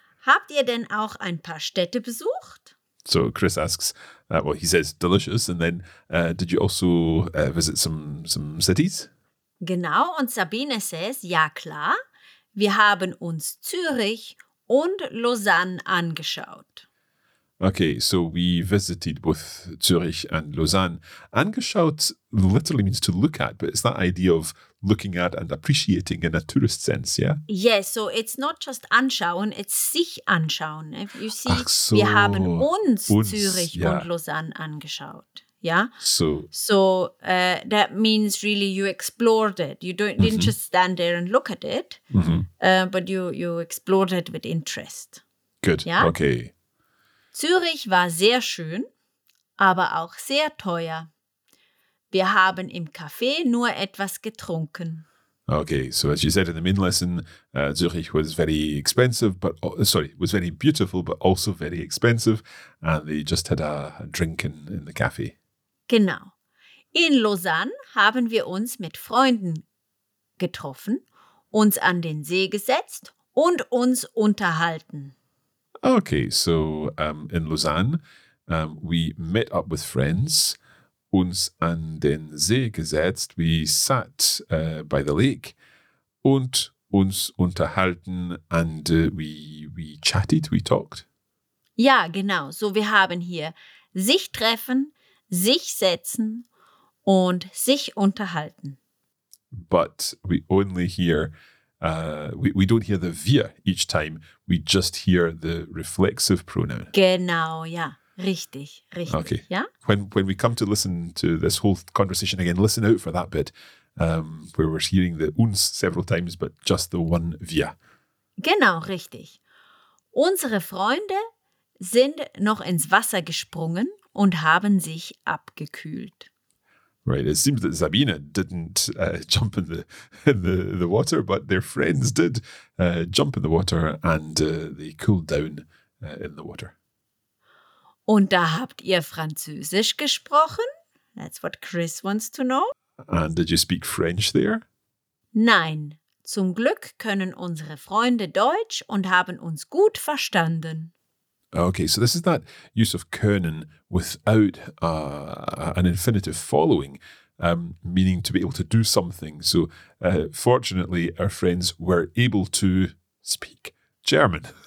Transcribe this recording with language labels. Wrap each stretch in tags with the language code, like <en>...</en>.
<de>Habt ihr denn auch ein paar Städte besucht?</de> <en>So Chris asks, well, he says delicious. And then did you also visit some cities?</en> <de>Genau. Und Sabine</de> <en>says,</en> <de>ja klar. Wir haben uns Zürich und Lausanne angeschaut.</de> <en>Okay, so we visited both Zürich and Lausanne. Angeschaut literally means to look at, but it's that idea of looking at and appreciating in a tourist sense, yeah? Yes, so it's not just anschauen, it's sich anschauen. If you see,</en> <de>so, wir haben uns Zürich, yeah, und Lausanne angeschaut. Yeah.</de> <en>So that means really you explored it. You don't, mm-hmm. didn't just stand there and look at it, mm-hmm. But you explored it with interest. Good. Yeah? Okay.</en> <de>Zürich war sehr schön, aber auch sehr teuer. Wir haben im Café nur etwas getrunken.</de> <en>Okay. So as you said in the main lesson, Zürich was very expensive, but was very beautiful, but also very expensive, and they just had a drink in the café.</en> <de>Genau. In Lausanne haben wir uns mit Freunden getroffen, uns an den See gesetzt und uns unterhalten.</de> <en>Okay, so in Lausanne, we met up with friends,</en> <de>uns an den See gesetzt,</de> <en>we sat by the lake</en> <de>und uns unterhalten</de> <en>and we chatted, we talked.</en> <de>Ja, genau. So wir haben hier sich treffen, sich setzen und sich unterhalten.</de> <en>But we only hear, we don't hear the wir each time. We just hear the reflexive pronoun.</en> <de>Genau, ja. Richtig.</de> <en>Okay.</en> <de>Ja?</de> <en>When we come to listen to this whole conversation again, listen out for that bit where we're hearing the uns several times, but just the one wir.</en> <de>Genau, richtig. Unsere Freunde sind noch ins Wasser gesprungen und haben sich abgekühlt.</de> <en>Right, it seems that Sabine didn't jump in the water, but their friends did jump in the water and they cooled down in the water.</en> <de>Und da habt ihr Französisch gesprochen?</de> <en>That's what Chris wants to know. And did you speak French there?</en> <de>Nein, zum Glück können unsere Freunde Deutsch und haben uns gut verstanden.</de> <en>Okay, so this is that use of können without an infinitive following, meaning to be able to do something. So fortunately, our friends were able to speak German.</en>